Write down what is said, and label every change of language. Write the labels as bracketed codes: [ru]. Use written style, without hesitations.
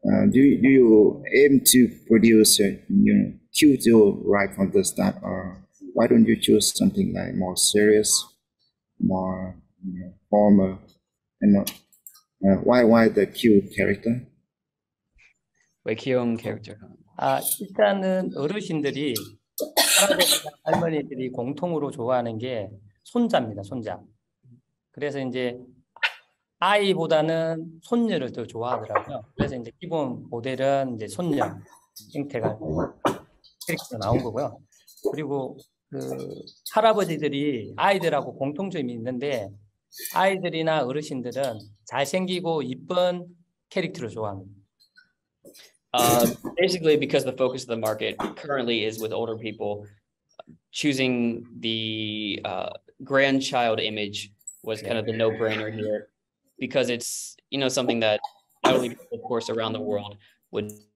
[en] Do you aim to produce cute doll right from the start, or why don't you choose something like more serious, more formal, and not, why the cute character? [ko] 왜 귀여운 캐릭터? 아, 일단은 어르신들이 할아버지, 할머니들이 공통으로 좋아하는 게 손자입니다. 손자. 그래서 이제 아이보다는 손녀를 더 좋아하더라고요. 그래서 이제 기본 모델은 이제 손녀 형태가 캐릭터로 나온 거고요. 그리고 그 할아버지들이 아이들하고 공통점이 있는데 아이들이나 어르신들은 잘생기고 이쁜 캐릭터를 좋아합니다. [en] Basically, because the focus of the market currently is with older people, choosing the grandchild image was kind of the no-brainer here, because it's something that elderly people, of course, around the world would